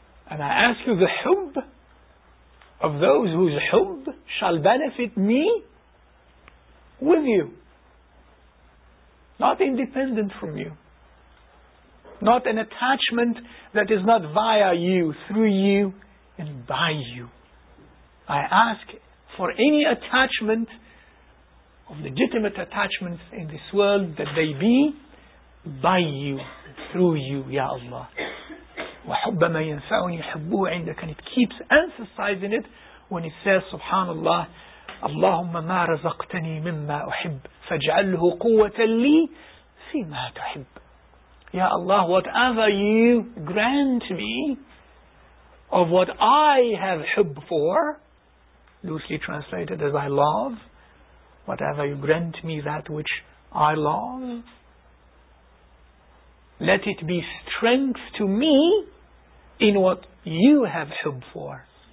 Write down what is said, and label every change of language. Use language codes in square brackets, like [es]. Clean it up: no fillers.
[en] And I ask you the حب of those whose حب shall benefit me with you, not independent from you, not an attachment that is not via you, through you, and by you. I ask for any attachment of legitimate attachments in this world, that they be by you, through you, Ya Allah. [ar] وَحُبَّ مَا يَنْفَعُنِي حُبُّهُ عِنْدَكَ, [en] and it keeps emphasizing it when it says, [ar] Subhanallah, اللهم ما رزقتني مما أحب فاجعله قوة لي فيما تحب. [en] Ya Allah, whatever you grant me of what I have hub for, loosely translated as I love, whatever you grant me that which I love, let it be strength to me in what you have hub for.